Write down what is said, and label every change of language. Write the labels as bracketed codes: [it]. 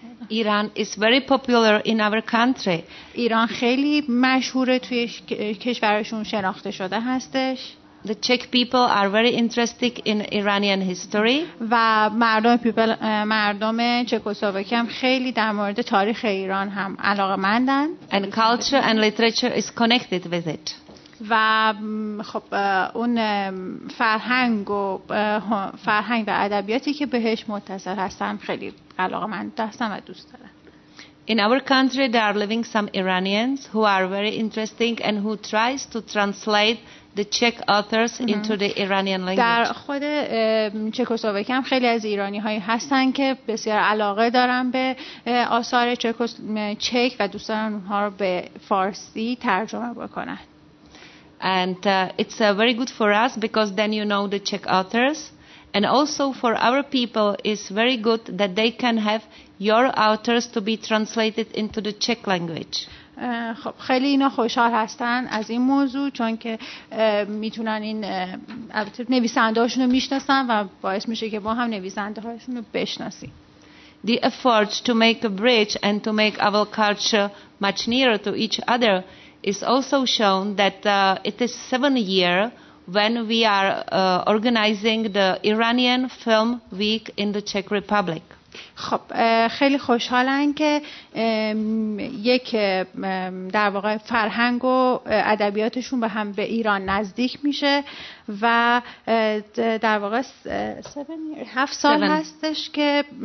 [en] Iran is very popular in our country. [fa] ایران خیلی مشهوره توی کشورشون، شناخته شده هستش. [en] The Czech people are very interested in Iranian history. [fa] و مردم چکسلواکی هم خیلی در مورد تاریخ ایران هم علاقه‌مندن. [en] And culture and literature is connected with it. [fa] و خب اون فرهنگ و فرهنگ و ادبیاتی که بهش متصل هستن خیلی علاقه‌مند هستن و دوست دارن. [en] In our country there are living some Iranians who are very interesting and who tries to translate the Czech authors into the Iranian language. [fa] در خود چکسلواکی هم خیلی از ایرانی هایی هستن که بسیار علاقه دارن به آثار چک و دوست دارن اونها رو به فارسی ترجمه بکنن. [en] And it's very good for us because then you know the Czech authors, and also for our people it's very good that they can have your authors to be translated into the Czech language. [fa] خب خیلی اینا خوشحال هستن از این موضوع، چون که میتونن این نویسنده‌هاشون رو میشناسن و باعث میشه که ما هم نویسنده‌هاشون رو بشناسیم. [en] The effort to make a bridge and to make our culture much nearer to each other is also shown that it is 7 years when we are organizing the Iranian Film Week in the Czech Republic. [fa] خب خیلی خوشحالن که یک در واقع فرهنگ و ادبیاتشون به هم به ایران نزدیک میشه و در واقع 7 سال هستش که